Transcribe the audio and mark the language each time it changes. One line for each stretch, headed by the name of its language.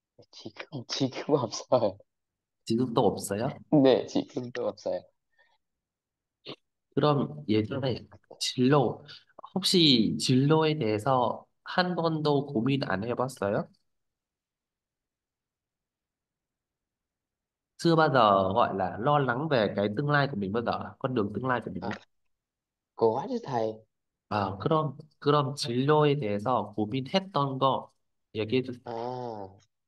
Korean: 지금 없어요. 지금도 없어요? 네, 지금도 없어요. 그럼 예전에 진로, 혹시 진로에 대해서 한 번도 고민 안 해봤어요?
Vietnamese: chưa bao giờ gọi là lo lắng về cái tương lai của mình bao giờ, con đường tương lai của mình bao Có chứ thầy. giờ.
Korean: K럼 진로에 대해서 고민했던 거 얘기해 주세요.